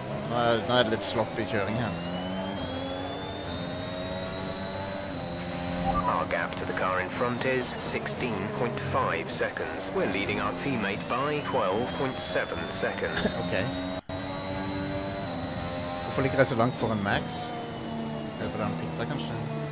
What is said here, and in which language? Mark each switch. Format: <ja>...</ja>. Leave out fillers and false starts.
<no>Nå er det litt sloppy kjøring her.</no> <en>Our gap to the car in front is 16.5 seconds. We're leading our teammate by 12.7 seconds. Okay.</en> <no>Hvorfor ligger jeg så langt foran Max? Er det fordi han pitter kanskje?</no>